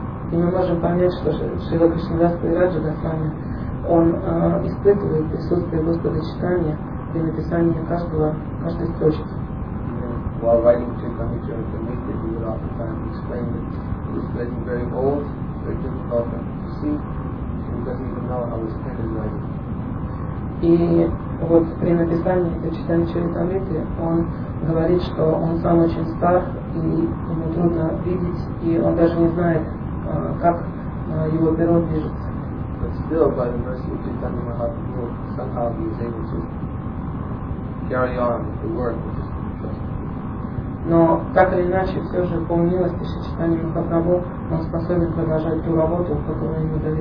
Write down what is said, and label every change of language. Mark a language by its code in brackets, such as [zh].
[ru] И мы можем понять, что Шрила Кришнадас Кавираджа Госвами, он испытывает присутствие Господа Чайтанья при написании каждой строчки. [en] While writing Chaitanya Charitamrita, he would oftentimes explain that it was written very old, very difficult for him to see, so he doesn't even know how his pen is writing. [ru] И вот при написании этого Чайтанья Чаритамриты он говорит, что он сам очень стар и ему трудно видеть, и он даже не знает, как его перо движется. [en] But still, by the mercy of Chaitanya Mahaprabhu, somehow he is able to carry on the work. [ru] Но так или иначе, все же по милости Чайтанья Махапрабху он способен продолжать ту работу, которую ему